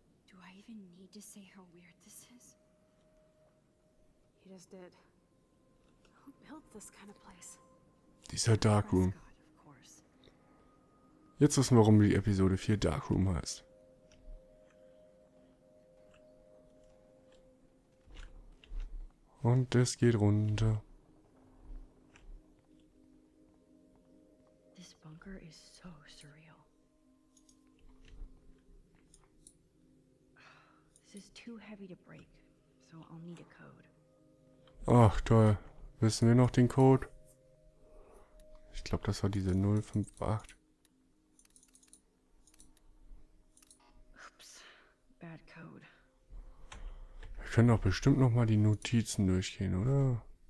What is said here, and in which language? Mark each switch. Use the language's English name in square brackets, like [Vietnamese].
[English] Do I even need to say how weird this is? He just did. Who built this kind of place? [German] Dieser Darkroom. Jetzt wissen wir, warum die Episode 4 Darkroom heißt. Und es geht runter. [English] This bunker is so surreal. This is too heavy to break, so I'll need a code. [German] Ach toll. Wissen wir noch den Code? Ich glaube, das war diese 058. [English] Oops, bad code. [German] Wir können doch bestimmt noch mal die Notizen durchgehen, oder?